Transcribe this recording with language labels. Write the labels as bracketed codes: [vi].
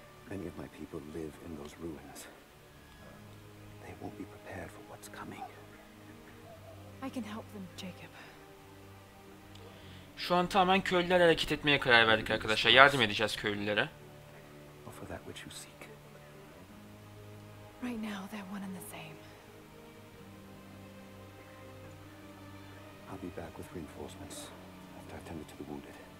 [en] Many of my people live in those ruins. They won't be prepared for what's coming. I can help them, Jacob. [tr] Şu an tamamen köylülere hareket etmeye karar verdik arkadaşlar. Yardım edeceğiz köylülere. [en] Offer that which you see. Right now they're one and the same. I'll be back with reinforcements after I've tended to the wounded.